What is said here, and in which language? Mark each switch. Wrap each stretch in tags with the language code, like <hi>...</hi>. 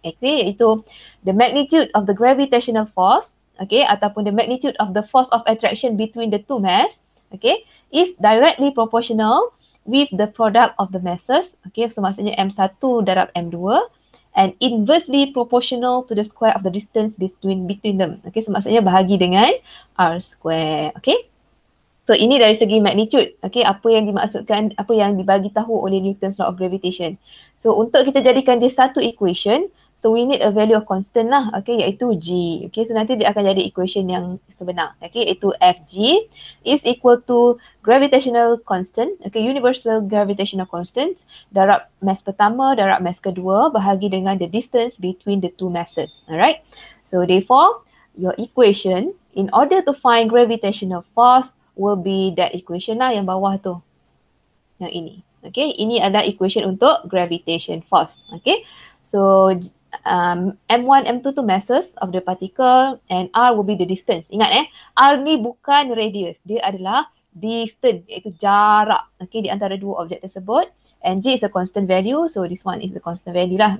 <en>Okay,</en> <ms>iaitu</ms> <en>the magnitude of the gravitational force, okay,</en> <ms>ataupun</ms> <en>the magnitude of the force of attraction between the two mass, okay, is directly proportional with the product of the masses. Okay,</en> <ms>so maksudnya</ms> <en>M1</en> <ms>darab</ms> <en>M2 and inversely proportional to the square of the distance between them.</en> <ms>Okay, so maksudnya bahagi dengan</ms> <en>R square.</en> <ms>Okay, so ini dari segi magnitude. Okay, apa yang dimaksudkan, apa yang dibagi tahu oleh Newton's law of gravitation. So untuk kita jadikan dia satu equation,</ms> <en>so we need a value of constant</en> <ms>lah, okay, iaitu G.</ms> <en>Okay,</en> <ms>so nanti dia akan jadi equation yang sebenar.</ms> <en>Okay, iaitu FG is equal to gravitational constant, okay, universal gravitational constant,</en> <ms>darab mass pertama, darab mass kedua, bahagi dengan</ms> <en>the distance between the two masses. Alright, so therefore, your equation in order to find gravitational force will be that equation</en> <ms>lah yang bawah tu, yang ini. Okay, ini adalah equation untuk</ms> <en>gravitation force. Okay, so M1, M2 tu masses of the particle and R will be the distance.</en> <ms>Ingat eh, R ni bukan radius, dia adalah</ms> <en>distance,</en> <ms>iaitu jarak, okay, di antara dua objek tersebut.</ms> <en>And G is a constant value, so this one is the constant value lah.</en>